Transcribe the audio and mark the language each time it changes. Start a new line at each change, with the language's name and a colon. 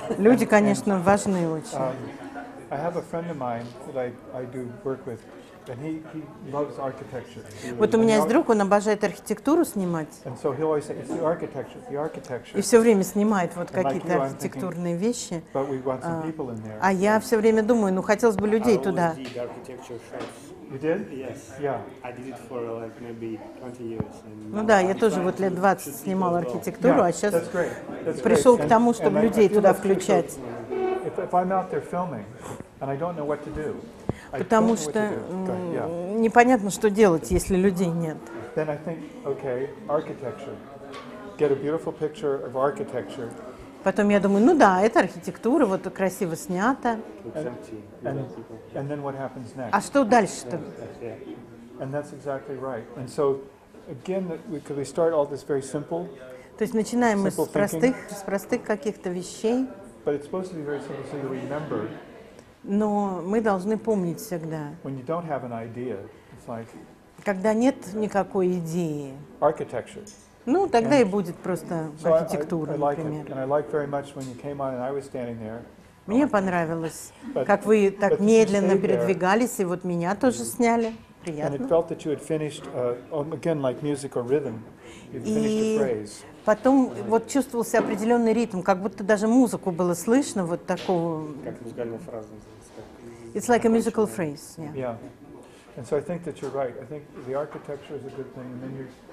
Russian: Люди, конечно, важны очень.
English: I have a friend of mine that I do work with, and he loves architecture.
Russian: Вот у меня есть друг, он обожает архитектуру снимать.
English: And so he always says, it's the architecture, the architecture.
Russian: И все время снимает вот какие-то архитектурные вещи.
English: But we want some people in there.
Russian: А я все время думаю, ну хотелось бы людей туда.
English: You did? Yes. Yeah. I did it for like maybe 20 years.
Russian: Ну да, я тоже вот лет 20 снимал архитектуру, а сейчас пришел к тому, чтобы людей туда включать.
English: If I'm out there filming and I don't know what to do,
Russian: потому что непонятно, что делать, если людей нет.
English: Then I think, okay, architecture. Get a beautiful picture of architecture.
Russian: Потом я думаю, ну да, это архитектура, вот красиво снято.
English: And
Russian: а что дальше-то?
English: And that's exactly right. And so, again, could we start all this very simple?
Russian: То есть начинаем мы с простых каких-то вещей.
English: But it's supposed to be very simple so you remember.
Russian: Но мы должны помнить всегда.
English: When you don't have an idea, it's like.
Russian: Когда нет никакой идеи.
English: Architecture.
Russian: Ну, тогда и будет просто архитектура, например. Мне понравилось, как вы так медленно передвигались, и вот меня тоже сняли. приятно.
English: And it felt that you had finished, again, like music or rhythm, you'd finished the phrase.
Russian: Потом вот чувствовался определенный ритм, как будто даже музыку было слышно, вот такого. Как музыкальная фраза.
English: It's like a musical phrase, yeah. Yeah. And so I think that you're right. I think the architecture is a good thing, and then you're...